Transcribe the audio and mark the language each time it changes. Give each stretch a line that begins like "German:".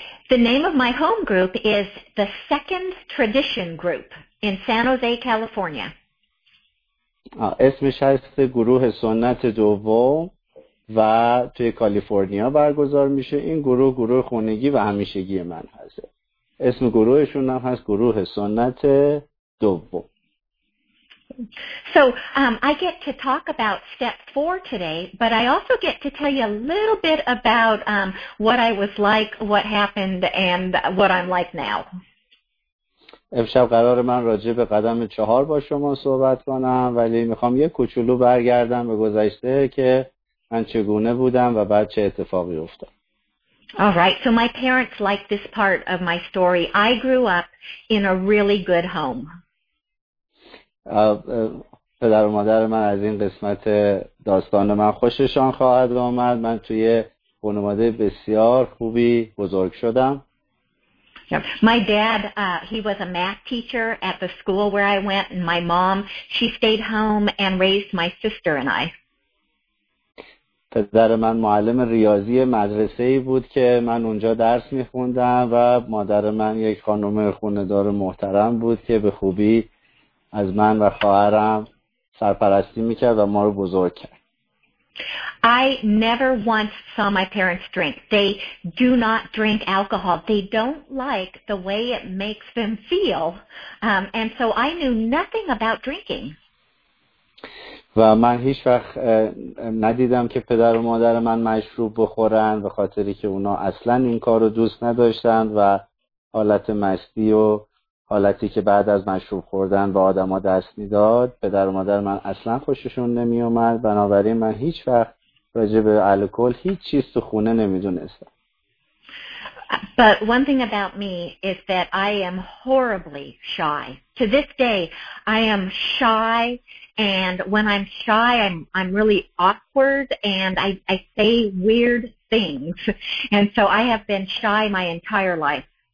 English: The name of my home group is the Second Tradition Group in San Jose, California.
Persian: اسمش هست گروه سنت دوم و توی کالیفرنیا برگزار میشه. این گروه گروه خونگی و همیشگی من هست. اسم گروهشون هم هست گروه سنت دوم.
English: So I get to talk about step four today, but I also get to tell you a little bit about what I was like, what happened, and what I'm like now.
Persian: امشب قرار من راجع به قدم چهار با شما صحبت کنم، ولی میخوام یه کوچولو برگردم به گذشته که من چگونه بودم و بعد چه اتفاقی افتاد.
English: All right, so my parents like this part of my story. I grew up in a really good home.
Persian: پدر و مادر من از این قسمت داستان من خوششان خواهد آمد. من توی خانواده بسیار خوبی بزرگ شدم.
English: My dad, he was a math teacher at the school where I went, and my mom, she stayed home and raised my sister and I.
Persian: پدر من معلم ریاضی مدرسه‌ای بود که من اونجا درس می‌خوندم و مادر من یک خانم خانه‌دار محترم بود که به خوبی از من و خواهرم سرپرستی می‌کرد و ما رو بزرگ کرد.
English: I never once saw my parents drink. They do not drink alcohol. They don't like the way it makes them feel. And so I knew nothing about drinking.
Persian: و من هیچ وقت ندیدم که پدر و مادر من مشروب بخورن، به خاطری که اونا اصلا این کار رو دوست نداشتن و حالت مستی و حالتی که بعد از مشروب خوردن به آدم ها دست میداد، پدر و مادر من اصلا خوششون نمی اومد. بنابراین من هیچ وقت راجع به الکل هیچ چیز تو خونه نمی دونستم.
English: But one thing about me is that I am horribly shy. To this day, I am shy. And when I'm shy, I'm really awkward, and I say weird things. And so I have been shy my entire life.